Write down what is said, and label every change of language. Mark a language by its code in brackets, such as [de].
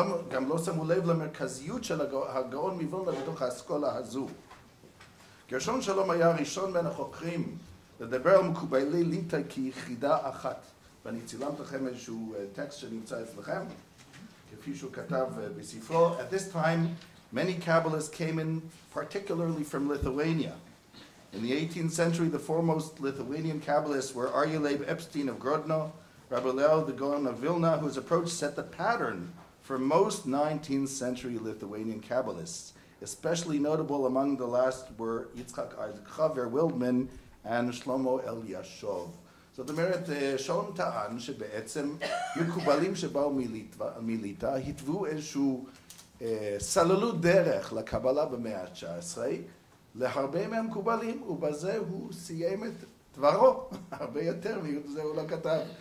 [he] גם לא שמו לב למרכזיות של הגאון מוילנה בתוך האסכולה הזו. גרשון שלום היה הראשון בין החוקרים לדבר על מקובלי ליטא כיחידה אחת. ואני צילמת לכם איזשהו טקסט שנמצא אצלכם, כפי שהוא כתב בספרו. [en] At this time, many Kabbalists came in particularly from Lithuania. In the 18th century, the foremost Lithuanian Kabbalists were Aryaleib Epstein of Grodno, Rabbi Leo the Gaon of Vilna, whose approach set the pattern for most 19th century Lithuanian Kabbalists. Especially notable among the last were Yitzhak Isaac Chaver Wildman and Shlomo Eliashov. [he] זאת אומרת, שלום טען שבעצם מקובלים שבאו מליטא התוו איזשהו סללו דרך לקבלה במאה ה-19 להרבה מהמקובלים, ובזה הוא סיים את דברו הרבה יותר מזה הוא לא כתב.